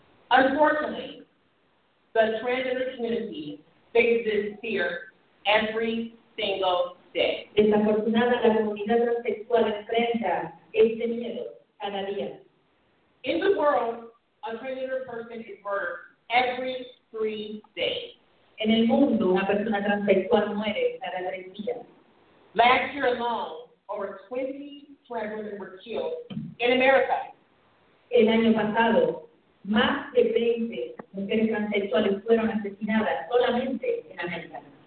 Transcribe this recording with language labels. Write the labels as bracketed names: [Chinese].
[English] Unfortunately, the transgender community faces fear every single day. [Spanish] Desafortunada, la comunidad transexual enfrenta este miedo cada día. [English] In the world, a transgender person is murdered every 3 days. [Spanish] En el mundo, una persona transexual muere cada 3 días. [English] Last year alone, over 20 trans women were killed in America. [Spanish] El año pasado, más de 20 mujeres transexuales fueron asesinadas solamente en América.